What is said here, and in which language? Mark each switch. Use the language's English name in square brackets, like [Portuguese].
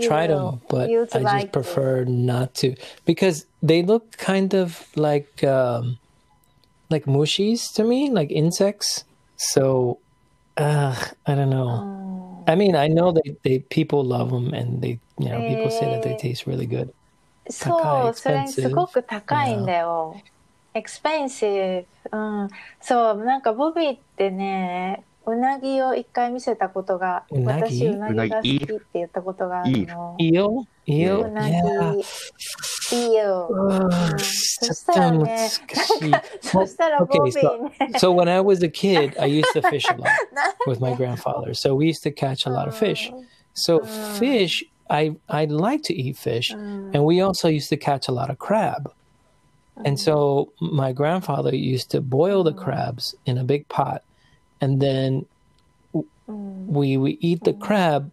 [English] tried them, but I just prefer not to because they look kind of like mushies to me, like insects. So, I don't know. I mean, I know that they people love them, and they people say that they taste really good. [Japanese] そう、それすごく高いんだよ。 [English] Expensive。 [Japanese] そう、なんかボビーってね、うなぎを一回見せたことが、私うなぎが好きって言ったことがあるの。イオ。うなぎ。イオ。そしたらね、そしたらボビーね。 [English] So when I was a kid, I used to fish a lot with my grandfather. So we used to catch a lot of fish. So fish. I like to eat fish, and we also used to catch a lot of crab. And so my grandfather used to boil the crabs in a big pot, and then we eat the crab.